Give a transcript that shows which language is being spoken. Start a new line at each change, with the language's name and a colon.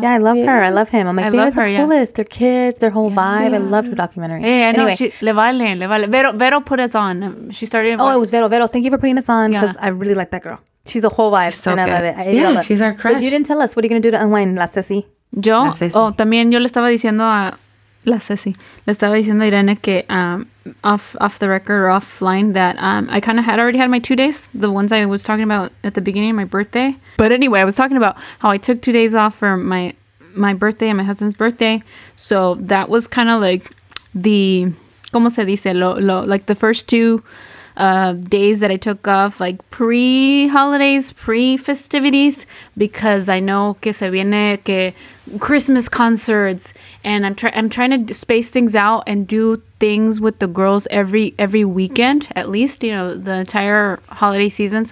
English: Yeah, I love her. I love him. I'm like, they're the coolest. Yeah. Their kids, their whole vibe. Yeah. I loved her documentary. Yeah, hey, I know. She, le vale. Vero put us on. She started. Oh, it was Vero. Thank you for putting us on because I really like that girl. She's a whole vibe. She's so and good. I love it. She's our crush. But you didn't tell us. What are you going to do to unwind, La Ceci?
Spanish: Yo? La Ceci. Oh, también yo le estaba diciendo a La Ceci. Le estaba diciendo a Irene que...
English: Off the record or offline that I kind of had already had my 2 days, the ones I was talking about at the beginning of my birthday. But anyway, I was talking about how I took 2 days off for my birthday and my husband's birthday. So that was kind of like the, como se dice, like the first two days that I took off, like pre-holidays, pre-festivities, because I know que se viene que Christmas concerts, and I'm trying to space things out and do things with the girls every weekend, at least, you know, the entire holiday season.